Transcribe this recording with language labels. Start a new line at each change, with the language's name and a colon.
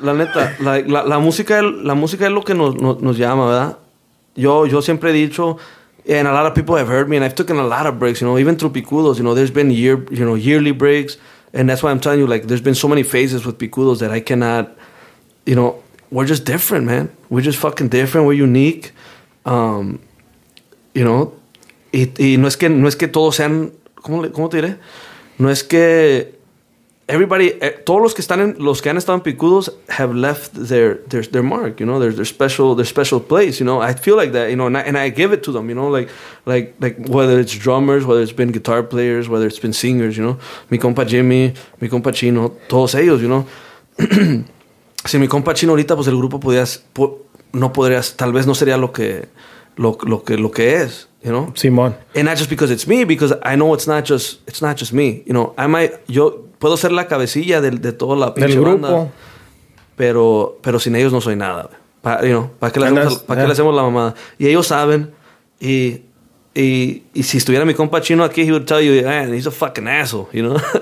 Spanish: Like, la música es lo que nos llama, ¿verdad? Yo siempre he dicho,
English: and a lot of people have heard me, and I've taken a lot of breaks, you know, even through Picudos, you know, there's been yearly breaks. And that's why I'm telling you, like, there's been so many phases with Picudos that I cannot, you know. We're just different, man. We're just fucking different. We're unique. You know? Y no es que todos sean... ¿Cómo te diré? No es que... Everybody... todos los que están en...
Spanish: Los que han estado en
English: Picudos have left their mark, you know? Their special place, you know? I feel like that, you know? And I give it to them, you know? Like whether it's drummers, whether it's been guitar players, whether it's been singers, you know?
Spanish: Mi compa Jimmy, mi compa Chino, todos ellos,
English: you know?
Spanish: Si mi compa Chino ahorita, pues el grupo no podrías, tal vez no sería lo que lo que es,
English: you know?
Spanish: Simón.
English: And not just because it's me, because I know it's not just me. You know, I might,
Spanish: yo puedo ser la cabecilla de toda la pinche banda. Grupo. Pero sin ellos no soy nada. ¿Para qué le hacemos la mamada? Y ellos saben. Y si estuviera mi compa chino aquí,
English: he would tell you, man, he's a fucking asshole, you know?